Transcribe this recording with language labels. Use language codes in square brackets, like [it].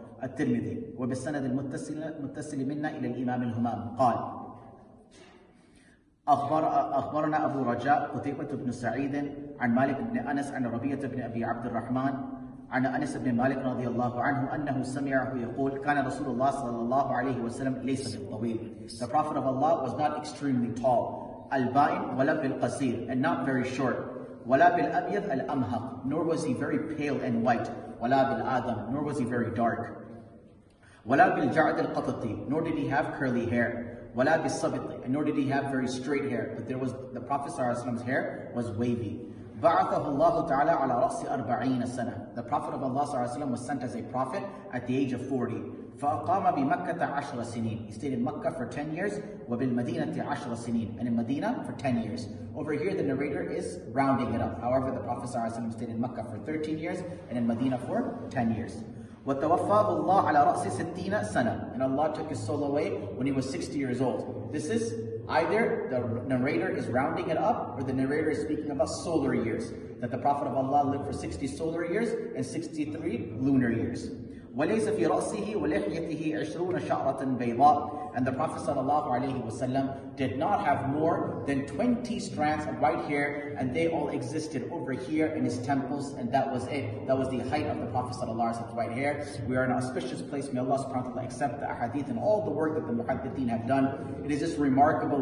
[ar] الترمذي وبالسند المتصل منا إلى الإمام الهمام قال أخبرنا أبو رجاء قتيبة بن سعيد عن مالك بن أنس عن ربيعة بن أبي عبد الرحمن عن أنس بن مالك رضي الله عنه أنه سمعه يقول كان رسول الله صلى الله عليه وسلم ليس بالطويل. [en] The Prophet of Allah was not extremely tall. البائن ولا بالقصير and not very short. ولا بالأبيض الأمهق nor was he very pale and white. ولا بالآدم nor was he very dark. ولا بالجعد القططي nor did he have curly hair. ولا بالصبط and nor did he have very straight hair. But there was the Prophet صلى الله عليه وسلم's hair was wavy. [ar] بعثه الله تعالى على رأس 40 سنة. [en] The Prophet of Allah صلى الله عليه وسلم was sent as a prophet at the age of 40. [ar] فأقام بمكة 10 سنين. [en] He stayed in Mecca for 10 years. وبالمدينة 10 سنين. And in Medina for 10 years. Over here, the narrator is rounding it up. However, the Prophet صلى الله عليه وسلم stayed in Mecca for 13 years and in Medina for 10 years. [ar] وتوفاه الله على رأس 60 سنة. [en] And Allah took his soul away when he was 60 years old. This is either the narrator is rounding it up or the narrator is speaking about solar years. That the Prophet of Allah lived for 60 solar years and 63 lunar years. [ar] وليس في رأسه ولحيته 20 شعرة بيضاء. [en] And the Prophet sallallahu alayhi wa sallam did not have more than 20 strands of white hair, and they all existed over here in his temples, and that was it. That was the height of the Prophet sallallahu alayhi wa sallam's white hair. We are in an auspicious place. May Allah subhanahu wa ta'ala accept the ahadith and all the work that the muhaddithin have done. It is just remarkable.